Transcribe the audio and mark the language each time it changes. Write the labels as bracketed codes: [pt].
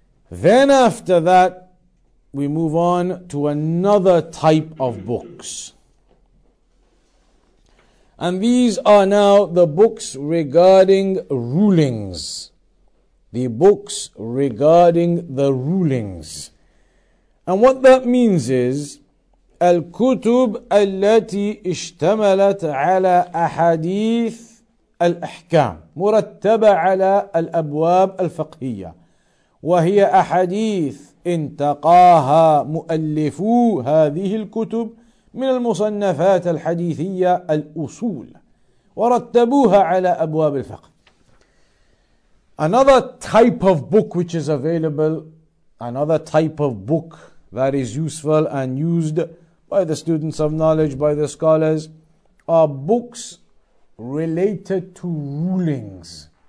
[en] Then after that, we move on to another type of books. And these are now the books regarding rulings. The books regarding the rulings. And what that means is, [ar] الكتب التي اشتملت على أحاديث الأحكام مرتبة على الأبواب الفقهية وهي أحاديث انتقاها مؤلفو هذه الكتب من المصنفات الحديثية الأصول ورتبوها على أبواب الفقه. [en] Another type of book which is available, another type of book that is useful and used by the students of knowledge, by the scholars, are books related to rulings.